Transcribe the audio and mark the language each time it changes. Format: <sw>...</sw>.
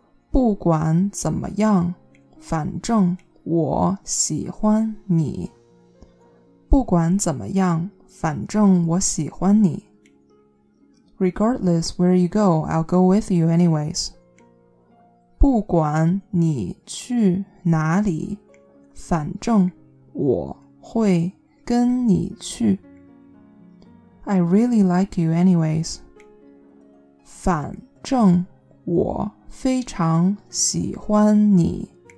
<zh>不管怎么样，反正我喜欢你。不管怎么样，反正我喜欢你。</zh> <en>Regardless where you go, I'll go with you anyways.</en> <zh>不管你去哪里，反正我会跟你去。</zh> <en>I really like you anyways.</en> <zh>反正我非常喜欢你。</zh>